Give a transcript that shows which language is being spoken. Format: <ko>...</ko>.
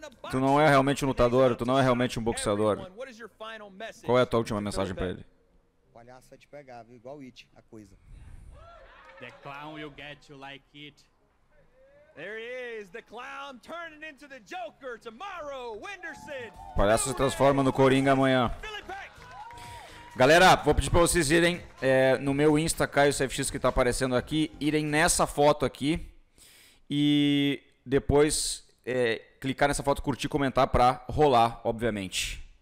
<pt>Tu não é realmente um lutador, tu não é realmente um boxeador. Qual é a tua última mensagem pra ele? Palhaço vai te pegar, viu? Igual It, a coisa.</pt> <en>The clown will get you like It. There he is, the clown turning into the Joker tomorrow, Wenderson.</en> <pt>Palhaço se transforma no Coringa amanhã. Galera, vou pedir pra vocês irem no meu Insta, CaioCFX, que tá aparecendo aqui, irem nessa foto aqui e depois clicar nessa foto, curtir, comentar pra rolar, obviamente.</pt>